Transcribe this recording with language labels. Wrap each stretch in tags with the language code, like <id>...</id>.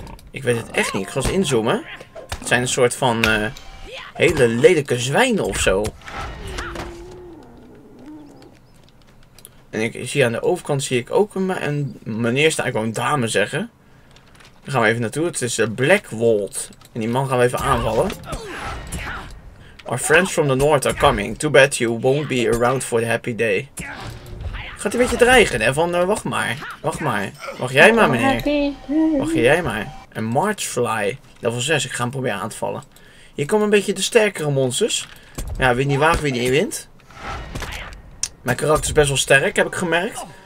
<nl>Ik weet het echt niet, ik ga eens inzoomen. Het zijn een soort van hele lelijke zwijnen of zo. En ik zie aan de overkant zie ik ook een meneer staan, ik wou een dame zeggen. Daar gaan we even naartoe, het is Blackwold. En die man gaan we even aanvallen.</nl> <en>Our friends from the north are coming. Too bad you won't be around for the happy day.</en> <nl>Gaat hij een beetje dreigen, hè? Van, wacht maar. Wacht jij maar, meneer. Wacht jij maar. Een Marchfly. Level 6, ik ga hem proberen aan te vallen. Hier komen een beetje de sterkere monsters. Ja, wie niet waagt, wie niet wint. Mijn karakter is best wel sterk, heb ik gemerkt.</nl>